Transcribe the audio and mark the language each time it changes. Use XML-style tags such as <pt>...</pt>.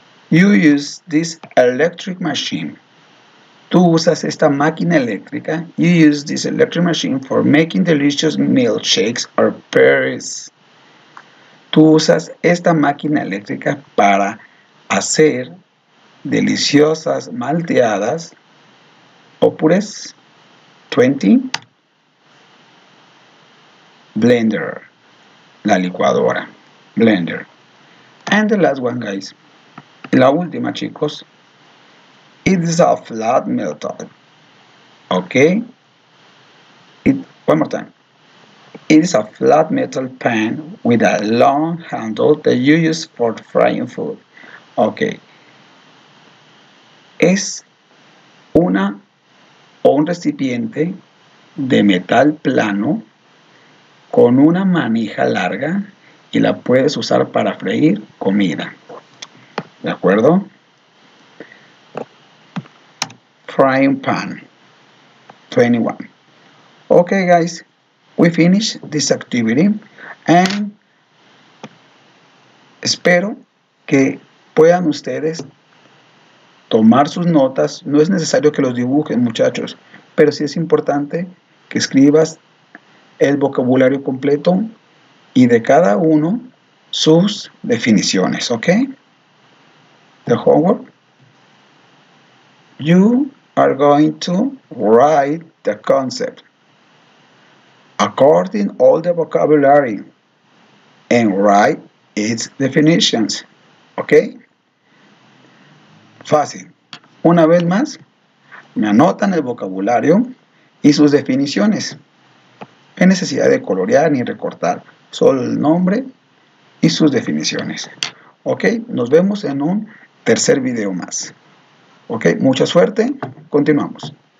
<en>You use this electric machine.</en> <es>Tú usas esta máquina eléctrica.</es> <en>You use this electric machine for making delicious milkshakes or pies. Tú usas esta máquina eléctrica para hacer deliciosas malteadas o purés. 20.</en> <es>Blender, la licuadora. Blender.</es> <en>And the last one, guys.</en> <es>La última, chicos.</es> <en>It is a flat metal. Ok. One more time. It is a flat metal pan with a long handle that you use for frying food. Okay.</en> <es>Es una o un recipiente de metal plano con una manija larga y la puedes usar para freír comida. ¿De acuerdo?</es> <en>Frying pan. 21. Okay, guys. We finish this activity and</en> <es>espero que puedan ustedes tomar sus notas. No es necesario que los dibujen, muchachos, pero sí es importante que escribas el vocabulario completo y de cada uno sus definiciones, ¿ok?</es> <en>The homework. You are going to write the concept according all the vocabulary and write its definitions.</en> <es>¿Ok? Fácil. Una vez más, me anotan el vocabulario y sus definiciones. No hay necesidad de colorear ni recortar, solo el nombre y sus definiciones. ¿Ok? Nos vemos en un tercer video más. ¿Ok? Mucha suerte. Continuamos.</es>